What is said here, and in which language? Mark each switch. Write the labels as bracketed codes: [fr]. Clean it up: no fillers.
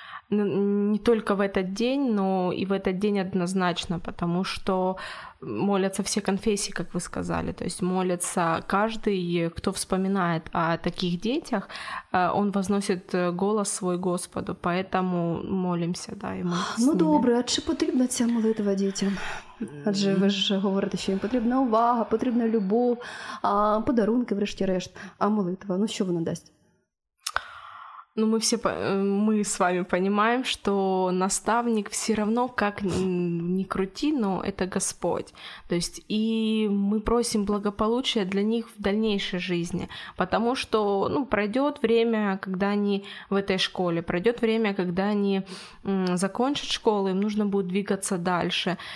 [ru] Не только в этот день, но и в этот день однозначно, потому что молятся все конфессии, как вы сказали, то есть молится каждый, кто вспоминает о таких детях, он возносит голос свой Господу, поэтому молимся, да, и мы с ними. [uk] Ну, добре, а чи потрібна ця молитва дітям? Адже ви ж говорите, що їм потрібна увага, потрібна любов, подарунки, врешті-решт, а молитва, ну, що вона дасть? [ru] Ну, мы с вами понимаем, что наставник все равно, как ни крути, но это Господь. То есть, и мы просим благополучия для них в дальнейшей жизни, потому что, ну, пройдет время, когда они в этой школе, пройдет время, когда они закончат школу, им нужно будет двигаться дальше.